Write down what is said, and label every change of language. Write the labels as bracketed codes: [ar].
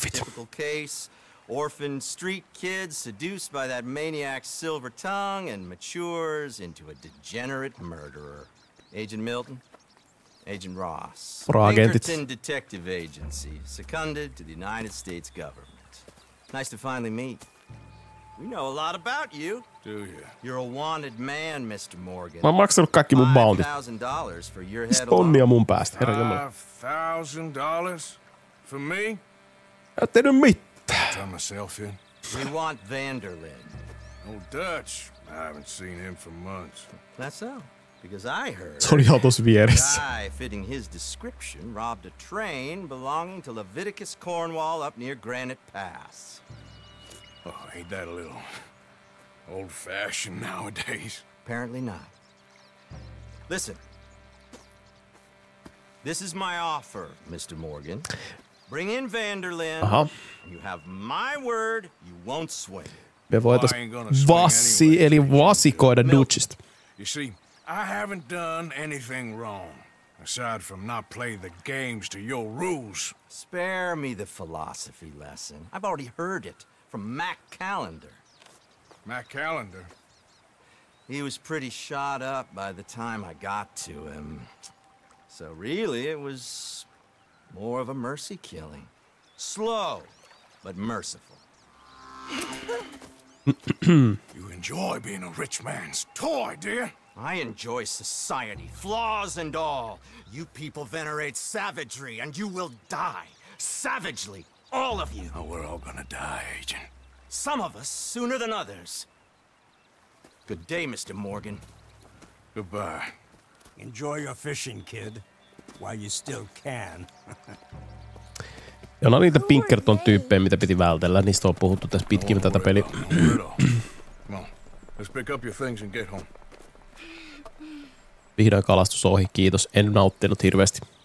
[en] Typical case, orphaned street kid seduced by that maniac's silver tongue and matures into a degenerate murderer. Agent Milton, Agent Ross, Pinkerton Detective Agency, seconded to the United States government. Nice to finally meet. We know a lot about you. do you? You're a wanted man, Mr. Morgan. [fi] Mä oon maksanut kaikki mun bounty. [en] $5,000 for your head alone. [fi] Tonnia mun päästä, herra jumala. [en] $5,000 for me? [fi] Mä oon tehnyt mitään. [en] I'll tell myself in. We want Vanderlyn. Old Dutch. I haven't seen him for months. That's so. Because I heard the guy fitting his description robbed a train belonging to Leviticus Cornwall up near Granite Pass. Oh, ain't that a little old-fashioned nowadays? Apparently not. Listen. This is my offer, Mr. Morgan. Bring in Vanderlyn. Uh-huh. You have my word, you won't sway. [fi] Me voitaisiin vassi, eli vasikoida Dutchista. [en] You see, I haven't done anything wrong, aside from not playing the games to your rules. Spare me the philosophy lesson. I've already heard it from Mac Callender. Mac Callender? He was pretty shot up by the time I got to him. So really, it was more of a mercy killing. Slow, but merciful. You enjoy being a rich man's toy, dear. I enjoy society, flaws and all. You people venerate savagery, and you will die. Savagely, all of you. Oh, we're all gonna die, Agent. Some of us sooner than others. Good day, Mr. Morgan. Goodbye. Enjoy your fishing, kid. While you still can. [fi] Ja no niitä Pinkerton-tyyppejä, mitä piti vältellä, niistä on puhuttu tässä pitkin tätä peliä. [en] Come on, let's pick up your things and get home. [fi] Vihdoin kalastus ohi, kiitos. En nauttinut hirveästi.